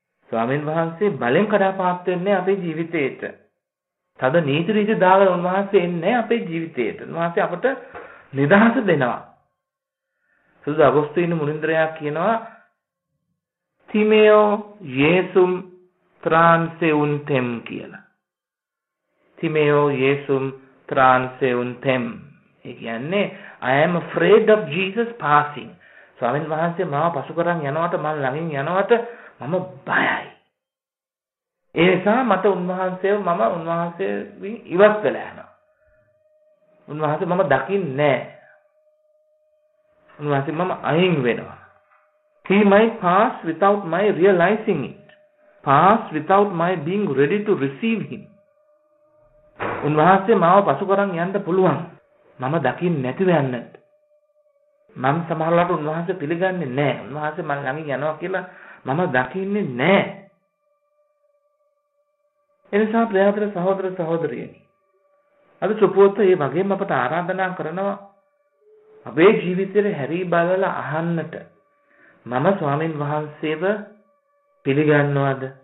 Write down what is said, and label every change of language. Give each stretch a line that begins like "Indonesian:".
Sinhala: ස්වාමීන් වහන්සේ බලෙන් කඩාපාත් වෙන්නේ අපේ ජීවිතයට. තද නීති රීති දාගෙන උන්වහන්සේ එන්නේ අපේ ජීවිතයට. උන්වහන්සේ අපට නිදහස දෙනවා. සුදු අගොස්තුයින් මුනින්ද්‍රයා කියනවා,
Latin: තිමයෝ යේසුම් ත්‍රාන්සෙවුන් තෙම්
Sinhala: කියලා.
Latin: තිමයෝ යේසුම් ත්‍රාන්සෙවුන් තෙම්.
Sinhala: ඒ කියන්නේ
English: I am afraid of Jesus passing.
Sinhala: ස්වාමීන් වහන්සේ මාව පසු කරන් යනවට, මල් ළඟින් යනවට මම බයයි. ඒ නිසා මට උන්වහන්සේව, මම උන්වහන්සේ ඉවත් වෙලා යනවා. උන්වහන්සේ මම දකින්නේ නැහැ. උන්වහන්සේ මම අයින් වෙනවා.
English: He might pass without my realizing it. Pass without my being ready to receive him.
Sinhala: උන්වහන්සේ මාව පසු කරන් යන්න පුළුවන්. මම දකින්නේ නැතිව යන්නත්. මම සමහර වෙලාවට උන්වහන්සේ පිළිගන්නේ නැහැ. උන්වහන්සේ මං ළඟින් යනවා කියලා මම දකින්නේ නැහැ. එනිසා ප්‍රියතර සහෝදර සහෝදරියනි, අද සුපුවත ඒ වගේම අපට ආරාධනා කරනවා අපේ ජීවිතයේ හැරී බලලා අහන්නට, මම ස්වාමින් වහන්සේව පිළිගන්නවද?